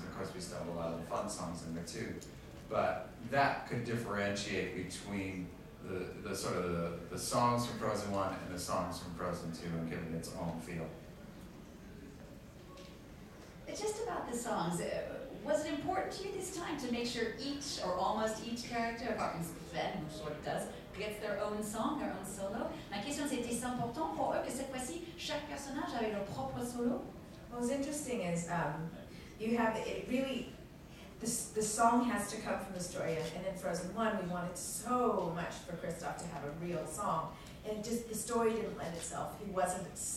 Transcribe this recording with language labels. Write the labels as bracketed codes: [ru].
[en] Of course, we still have a lot of the fun songs in there too. But that could differentiate between the songs from Frozen 1 and the songs from Frozen 2 and give it its own feel. Just about the songs, was it important to you this time to make sure each or almost each character, Hawkins Ben, who sort of does, gets their own song, their own solo? My question is, [fr] c'était important pour eux que cette fois-ci, chaque personnage avait leur propre solo? [en] What was interesting is you have it really. The song has to come from the story, and in Frozen 1, we wanted so much for Kristoff to have a real song, and just the story didn't lend itself. He wasn't